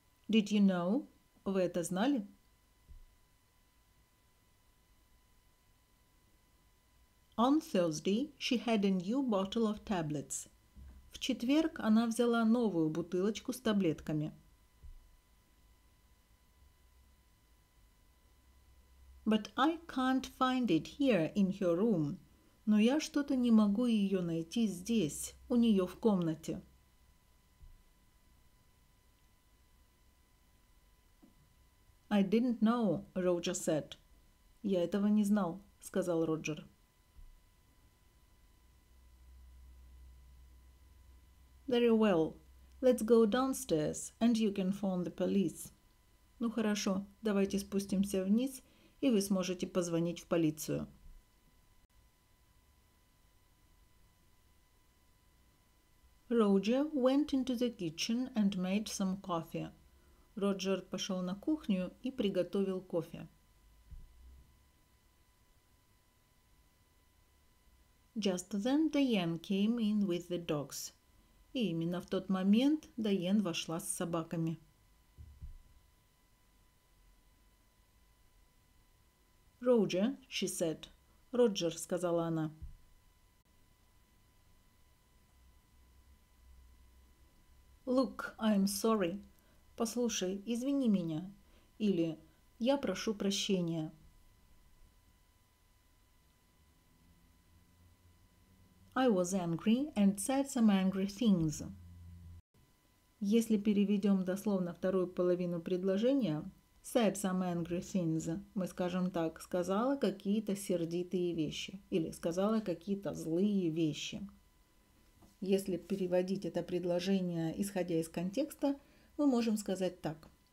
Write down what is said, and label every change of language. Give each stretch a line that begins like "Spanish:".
English: Did you know?
Russian: Вы это знали?
English: On Thursday she had a new bottle of tablets.
Russian: В четверг она взяла новую бутылочку с таблетками.
English: But I can't find it here in her room.
Russian: Но я что-то не могу ее найти здесь, у нее в комнате.
English: I didn't know, Roger said.
Russian: Я этого не знал, сказал Роджер.
English: Very well. Let's go downstairs and you can phone the police.
Russian: Ну хорошо, давайте спустимся вниз, и вы сможете позвонить в полицию.
English: Roger went into the kitchen and made some coffee.
Russian: Роджер пошел на кухню и приготовил кофе.
English: Just then Diane came in with the dogs.
Russian: И именно в тот момент Diane вошла с собаками.
English: Roger, she said.
Russian: Роджер, сказала она.
English: Look, I'm sorry.
Russian: Послушай, извини меня. Или я прошу прощения.
English: I was angry and said some angry things.
Russian: Если переведем дословно вторую половину предложения,
English: said some angry things,
Russian: мы скажем так, сказала какие-то сердитые вещи или сказала какие-то злые вещи. Если переводить это предложение, исходя из контекста, мы можем сказать так.